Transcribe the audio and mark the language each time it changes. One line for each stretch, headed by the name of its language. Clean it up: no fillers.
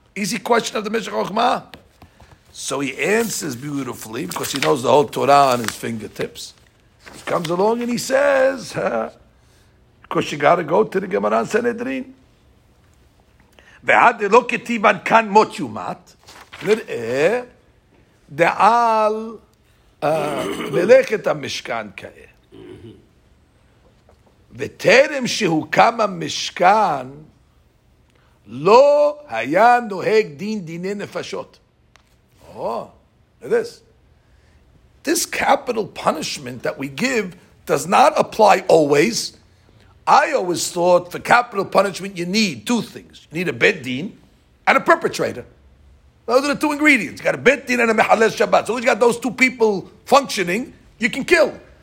English: Easy question of the Meshech Chochmah. So he answers beautifully because he knows the whole Torah on his fingertips. He comes along and he says, because you got to go to the Gemara Sanhedrin.
Hebrew: Ve'ad lo ketivan kan mot yumat. נראה דעל מלאכת המשכן כאה. וטרם שהוקם המשכן, לא היה נוהג דין דיני נפשות.
English: This capital punishment that we give does not apply always. I always thought for capital punishment you need two things. You need a bet din and a perpetrator. Those are the two ingredients. You got a bet din and a mehalel Shabbat. So if you got those two people functioning, you can kill.